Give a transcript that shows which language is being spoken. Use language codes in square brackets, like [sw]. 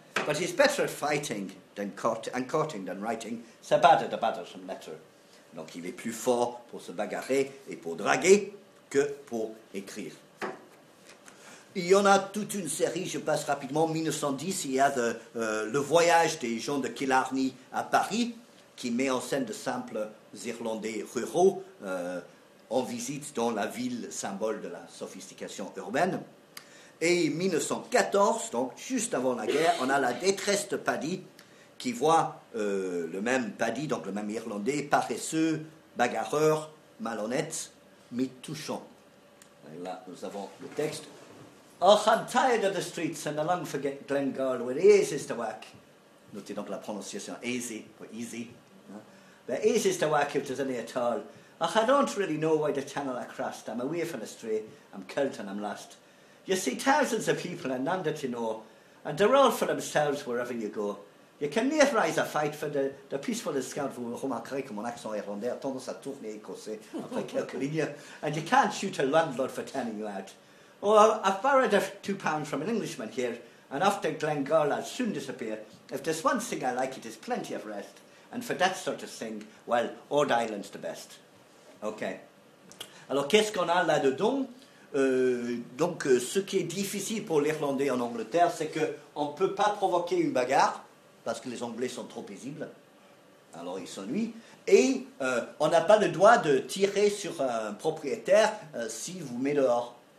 [en] But he's better at fighting than courting than writing. [fr] Se battre, de battre, se mettre. Donc il est plus fort pour se bagarrer et pour draguer que pour écrire. Il y en a toute une série, je passe rapidement. 1910, il y a le voyage des gens de Killarney à Paris, qui met en scène de simples Irlandais ruraux en visite dans la ville, symbole de la sophistication urbaine. Et 1914, donc juste avant la guerre, on a la détresse de Paddy, qui voit le même Paddy, donc le même Irlandais, paresseux, bagarreur, malhonnête, mais touchant. Et là, nous avons le texte. [en] Oh, I'm tired of the streets and the long for Glengall, where easy is to work. [fr] Notez donc la prononciation easy, pour easy. [en] But easy is to work if there's any at all. Oh, I don't really know why the channel I crossed. I'm away from the street, I'm cold and I'm lost. You see thousands of people and none that you know, and they're all for themselves wherever you go. You can never rise a fight for the peaceful scout. [fr] Vous remarquerez que mon accent irlandais a tendance à tourner écossais après quelques lignes. [en] And you can't shoot a landlord for turning you out. Oh, I've borrowed £2 from an Englishman here, and off to Glengall I'll soon disappear. If there's one thing I like, it is plenty of rest. And for that sort of thing, well, Old Ireland's the best. [fr] OK. Alors, qu'est-ce qu'on a là-dedans? Ce qui est difficile pour l'Irlandais en Angleterre, c'est qu'on ne peut pas provoquer une bagarre, parce que les Anglais sont trop paisibles. Alors, ils s'ennuient. Et on n'a pas le droit de tirer sur un propriétaire s'il vous met dehors.